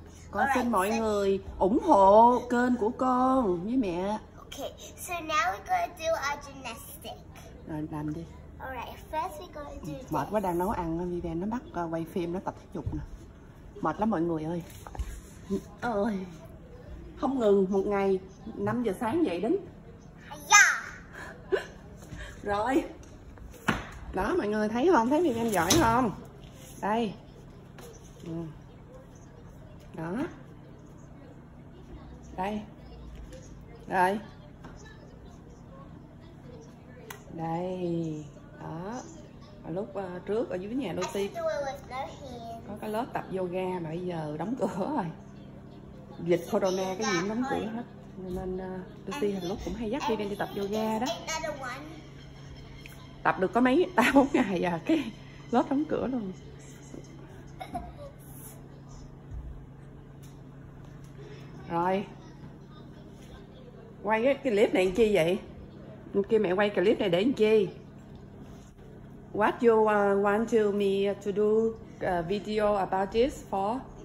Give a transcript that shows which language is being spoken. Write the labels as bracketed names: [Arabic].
[Vietnamese] Con xin mọi người ủng hộ kênh của con với mẹ. [English] Okay. So now we're going to do our gymnastics. [Vietnamese] Rồi làm đi. [English] Alright. First we're going to do. [Vietnamese] Mệt quá đang nấu ăn vì đang nó bắt quay phim nó tập thể dục nè. Mệt lắm mọi người ơi. Ơi. Không ngừng, một ngày 5 giờ sáng dậy đến. Rồi. Đó mọi người thấy không? Thấy Vivian giỏi không? Đây. Đó. Đây. Rồi. Đây. Đó. Ở lúc trước ở dưới nhà Lucy có cái lớp tập yoga mà bây giờ đóng cửa rồi. Dịch corona cái gì cũng đóng cửa hết. Nên Lucy hồi lúc cũng hay dắt Vivian đi tập yoga đó. Tập được có mấy 3-4 ngày à, cái lớp đóng cửa luôn. Rồi. Quay cái clip này làm chi vậy? Kêu mẹ quay clip này để làm chi? [English] What you want me to do a video about this for?